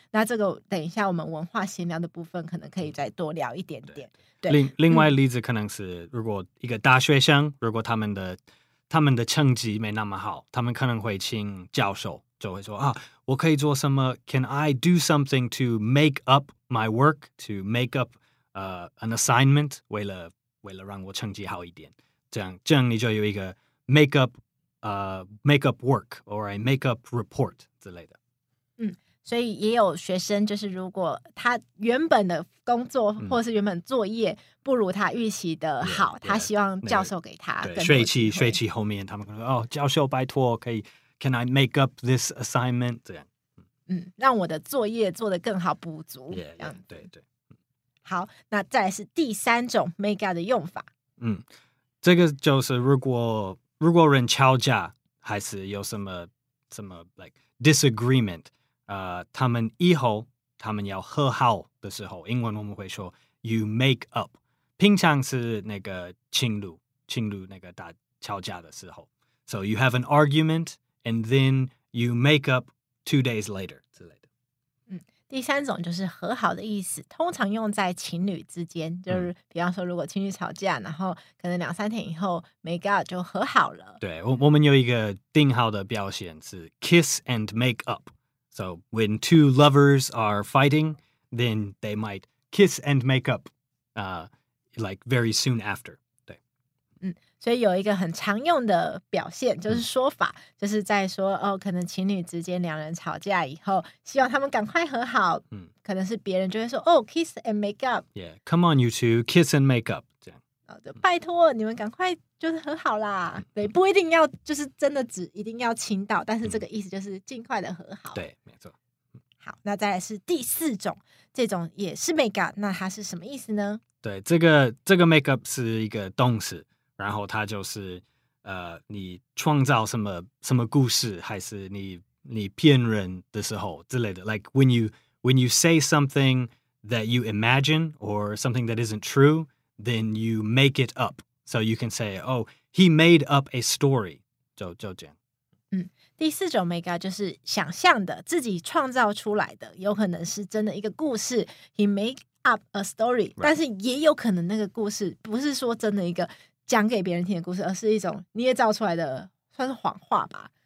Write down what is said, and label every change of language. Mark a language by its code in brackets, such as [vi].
[zh] 那这个等一下我们文化闲聊的部分可能可以再多聊一点点。对，另外例子可能是如果一个大学生，如果他们的成绩没那么好，他们可能会请教授，就会说啊，我可以做什么 ？ [en] Can I do something to make up my work? To make up an assignment? [zh] 为了让我成绩好一点，这样你就有一个 [en] make up work or a make up report [zh] 之类的。所以也有学生就是如果他原本的工作或是原本作业不如他预期的好，他希望教授给他更多机会。学期后面他们可能说哦，教授拜托可以。 [en] Can I make up this assignment? [zh] 这样，让我的作业做得更好，补足。对对。好，那再来是第三种 make up 的用法。这个就是如果人吵架，还是有什么 like disagreement， 他们以后他们要和好的时候，英文我们会说 you make up。平常是那个情侣那个大吵架的时候 ， [en] so you have an argument。 And then you make up 2 days later. [zh] 之类的。第三种就是和好的意思，通常用在情侣之间，就是比方说如果情侣吵架，然后可能两三天以后 make up 就和好了。对，我们有一个定好的表现是 kiss and make up. [en] So when two lovers are fighting, then they might kiss and make up, like very soon after. [zh] 对。所以有一个很常用的表现就是说法，就是在说哦，可能情侣之间两人吵架以后希望他们赶快和好，可能是别人就会说哦 kiss and make up， [en] yeah come on you two kiss and make up， [zh] 这样就拜托你们赶快就是和好啦。对，不一定要就是真的只一定要亲到，但是这个意思就是尽快的和好。对，没错。好，那再来是第四种，这种也是 make up， 那它是什么意思呢？对，这个 make up 是一个动词，然后它就是你创造什么故事，还是你骗人的时候之类的。 [en] Like when you say something that you imagine or something that isn't true, then you make it up. So you can say, oh, he made up a story. [zh] 就这样。第四种 make up 就是想象的，自己创造出来的，有可能是真的一个故事。 [en] He made up a story.、 Right. [zh] 但是也有可能那个故事不是说真的一个讲给别人听的故事，而是一种捏造出来的，算是谎话吧。